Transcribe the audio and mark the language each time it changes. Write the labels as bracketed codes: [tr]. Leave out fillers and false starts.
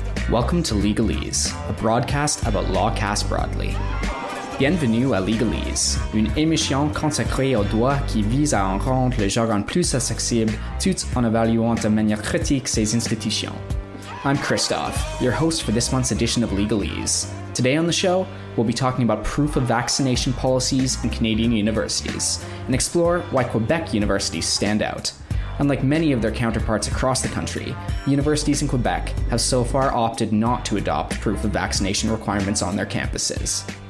[en] Welcome to Legalese, a broadcast about LawCast broadly. [fr] Bienvenue à Legalese, une émission consacrée au droit qui vise à en rendre le jargon plus accessible tout en évaluant de manière critique ses institutions. [en] I'm Christophe, your host for this month's edition of Legalese. Today on the show, we'll be talking about proof of vaccination policies in Canadian universities and explore why Quebec universities stand out. Unlike many of their counterparts across the country, universities in Quebec have so far opted not to adopt proof of vaccination requirements on their campuses.